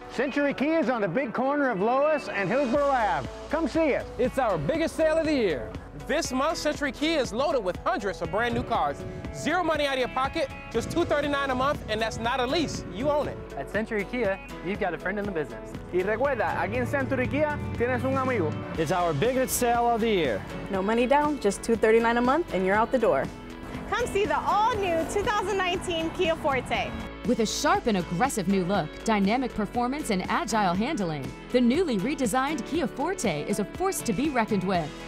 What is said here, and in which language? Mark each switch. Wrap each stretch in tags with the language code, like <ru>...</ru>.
<en>Century Kia is on the big corner of Lois and Hillsborough Ave. Come see us. It's our biggest sale of the year. This month, Century Kia is loaded with hundreds of brand new cars. Zero money out of your pocket, just $239 a month, and that's not a lease. You own it. At Century Kia, you've got a friend in the business.</en> <es>Y recuerda, aquí en Century Kia, tienes un amigo.</es> <en>It's our biggest sale of the year. No money down, just $239 a month, and you're out the door. Come see the all-new 2019 Kia Forte. With a sharp and aggressive new look, dynamic performance, and agile handling, the newly redesigned Kia Forte is a force to be reckoned with.</en>